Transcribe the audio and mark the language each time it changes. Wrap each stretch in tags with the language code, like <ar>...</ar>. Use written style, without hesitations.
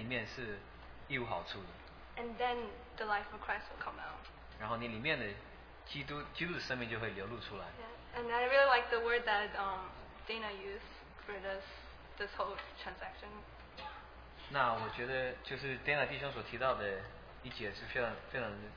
<zh>那是当你放到你最低点的时候，你才会发现到在你里面是一无好处的。</zh> <en>And then the life of Christ will come out.</en> <zh>然后你里面的基督的生命就会流露出来。</zh> <en>Yeah. And I really like the word that Dana used for this whole transaction.</en> <zh>那我觉得就是 Dana 弟兄所提到的一节是非常非常。</zh>